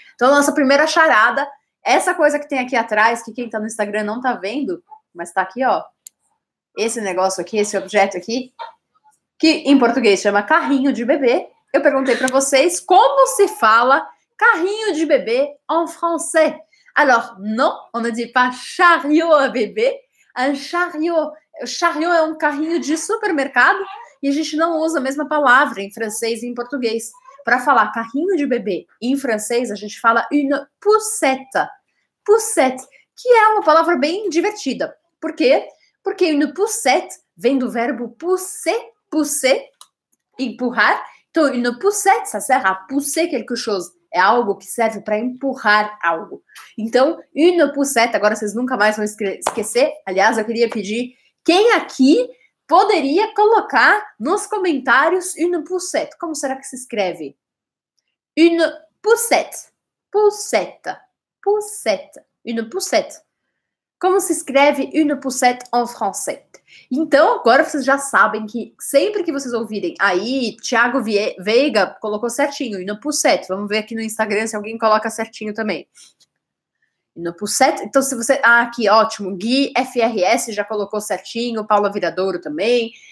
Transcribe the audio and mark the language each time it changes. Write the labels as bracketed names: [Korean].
[Portuguese] Então, nossa primeira charada, essa coisa que tem aqui atrás, que quem está no Instagram não está vendo, mas está aqui, ó. Esse negócio aqui, esse objeto aqui, que em português chama carrinho de bebê, eu perguntei para vocês como se fala carrinho de bebê [French] en français. Alors, non, on ne dit pas chariot à bébé, un chariot. [Portuguese] Chariot é um carrinho de supermercado e a gente não usa a mesma palavra em francês e em português. Para falar carrinho de bebê em francês, a gente fala une poussette. Poussette, que é uma palavra bem divertida. Por quê? Porque une poussette vem do verbo pousser, pousser, empurrar. [French] Então, une poussette, ça sert à pousser quelque chose. [Portuguese] É algo que serve para empurrar algo. Então, une poussette, agora vocês nunca mais vão esquecer. Aliás, eu queria pedir quem aqui poderia colocar nos comentários une poussette. Como será que se escreve? Une poussette. Poussette. Poussette. Une poussette. Como se escreve une poussette [French] en français? [Portuguese] Então, agora vocês já sabem que sempre que vocês ouvirem, aí, Thiago Veiga colocou certinho, une poussette. Vamos ver aqui no Instagram se alguém coloca certinho também. Une poussette. Então, se você. Ah, aqui, ótimo. Gui FRS já colocou certinho, Paula Viradouro também.